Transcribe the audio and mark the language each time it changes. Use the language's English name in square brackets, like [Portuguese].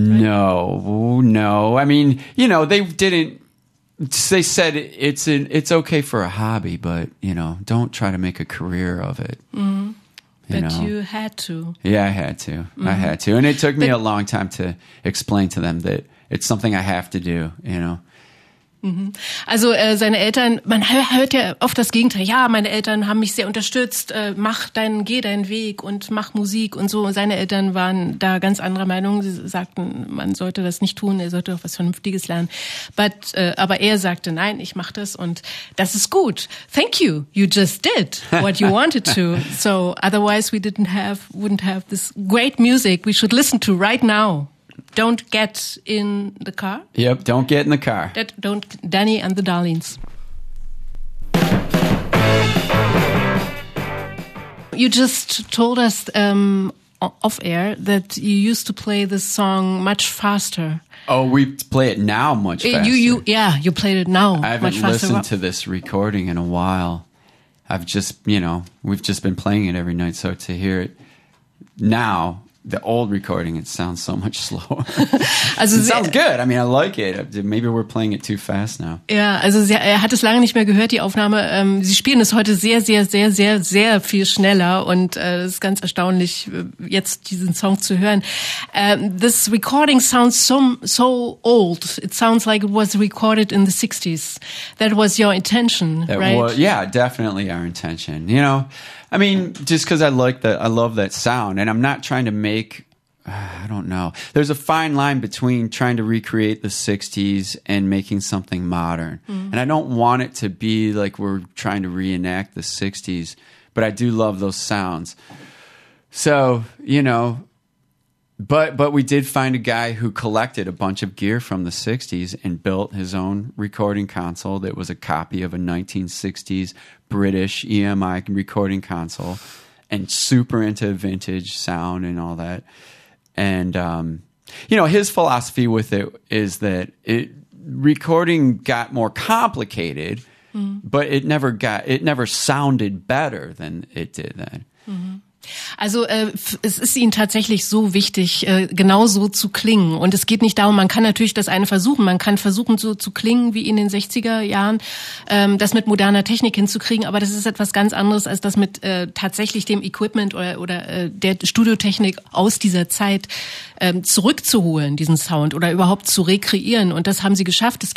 [English] No. I mean, you know, they didn't. They said it's okay for a hobby, but you know, don't try to make a career of it. Mm-hmm. You had to. Yeah, I had to. Mm-hmm. I had to, and it took me a long time to explain to them that it's something I have to do. You know. [German] Also seine Eltern, man hört ja oft das Gegenteil. Ja, meine Eltern haben mich sehr unterstützt. Geh deinen Weg und mach Musik und so. Und seine Eltern waren da ganz anderer Meinung. Sie sagten, man sollte das nicht tun, er sollte auch was Vernünftiges lernen. Aber er sagte, nein, ich mach das und das ist gut. [English] Thank you, you just did what you wanted to. So otherwise we wouldn't have this great music we should listen to right now. Don't get in the car. Yep, don't get in the car. Don't Danny and the Darlings. You just told us off air that you used to play this song much faster. Oh, we play it now much faster. You played it now much faster. I haven't listened to this recording in a while. I've just, you know, we've just been playing it every night. So to hear it now, the old recording, it sounds so much slower. Also it sounds good. I mean, I like it. Maybe we're playing it too fast now. [German] Ja, also er hat es lange nicht mehr gehört, die Aufnahme. Sie spielen es heute sehr, sehr, sehr, sehr, sehr viel schneller. Und es ist ganz erstaunlich, jetzt diesen Song zu hören. [English] This recording sounds so old. It sounds like it was recorded in the 60s. That was your intention, right? Yeah, definitely our intention, you know. I mean, just because I love that sound, and I'm not trying to make, I don't know. There's a fine line between trying to recreate the 60s and making something modern. Mm-hmm. And I don't want it to be like we're trying to reenact the 60s, but I do love those sounds. So, you know, but we did find a guy who collected a bunch of gear from the 60s and built his own recording console that was a copy of a 1960s British EMI recording console and super into vintage sound and all that. And, you know, his philosophy with it is that recording got more complicated, but it never sounded better than it did then. Mm-hmm. [German] Also es ist ihnen tatsächlich so wichtig, genau so zu klingen. Und es geht nicht darum, man kann natürlich das eine versuchen. Man kann versuchen, so zu klingen wie in den 60er Jahren, das mit moderner Technik hinzukriegen. Aber das ist etwas ganz anderes, als das mit tatsächlich dem Equipment oder der Studiotechnik aus dieser Zeit zurückzuholen, diesen Sound, oder überhaupt zu rekreieren. Und das haben sie geschafft.